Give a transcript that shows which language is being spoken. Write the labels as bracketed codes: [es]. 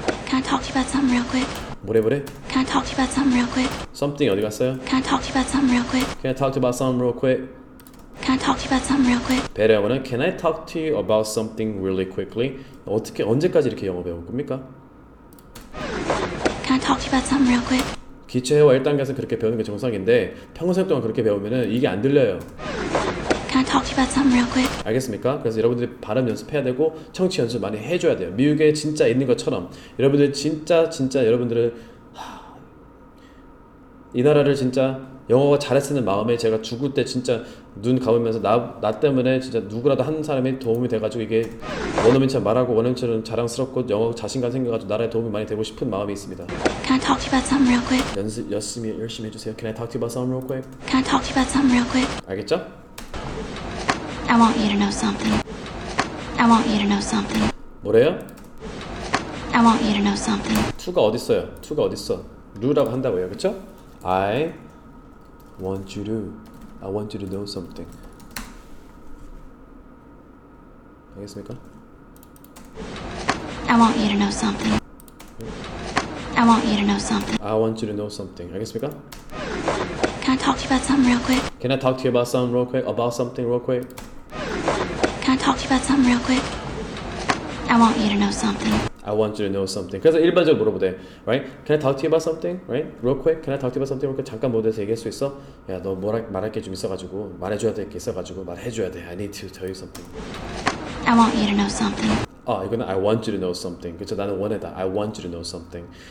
[en] Can I talk to you about something real quick? [ko] 뭐래 뭐래? [en] Can I talk to you about something real quick? [ko] Something 어디 갔어요? [en] Can I talk to you about something real quick? Can I talk to you about something real quick? Can I talk to you about something real quick? [ko] 베레 영어는 [en] Can I talk to you about something really quickly? [ko] 어떻게 언제까지 이렇게 영어 배울 겁니까? [en] Can I talk to you about something real quick? [ko] 기초 회화 1단계에서 그렇게 배우는 게 정상인데 평생 동안 그렇게 배우면은 이게 안 들려요. [en] Can I talk to you about something real quick? [ko] 알겠습니까? 그래서 여러분들이 발음 연습해야 되고 청취 연습 많이 해줘야 돼요. 미국에 진짜 있는 것처럼 여러분들 진짜 여러분들을 이 나라를 진짜 영어가 잘했으면 마음에 제가 죽을 때 진짜 눈 감으면서 나 때문에 진짜 누구라도 한 사람이 도움이 돼가지고 이게 원어민처럼 말하고 원어민처럼 자랑스럽고 영어 자신감 생겨가지고 나라에 도움이 많이 되고 싶은 마음이 있습니다. [en] Can I talk to you about something real quick? [ko] 연습 열심히 해주세요. [en] Can I talk to you about something real quick? Can I talk to you about something real quick? [ko] 알겠죠? [en] I want you to know something. I want you to know something. [ko] 뭐래요? [en] I want you to know something. [ko] 2가 어딨어요? 2가 어딨어? 루라고 한다고요, 그쵸? [en] I want you to. I want you to know something. [ko] 알겠습니까? [en] I want you to know something. I want you to know something. I want you to know something. [ko] 알겠습니까? [en] Can I talk to you about something real quick? Can I talk to you about something real quick? About something real quick? Can I talk to you about something real quick? I want you to know something. I want you to know something. [ko] 그래서 일반적으로 물어보대. [en] Right? Can I talk to you about something? Right? Real quick. Can I talk to you about something? [ko] 그러니까 잠깐 모두에서 얘기할 수 있어? 야, 너 뭐라 말할 게 좀 있어가지고 말해줘야 될 게 있어가지고 말해줘야 돼. [en] I need to tell you something. I want you to know something. [ko] 아, 이거는 [en] I want you to know something. [ko] 그쵸? 나는 원해다. [en] I want you to know something.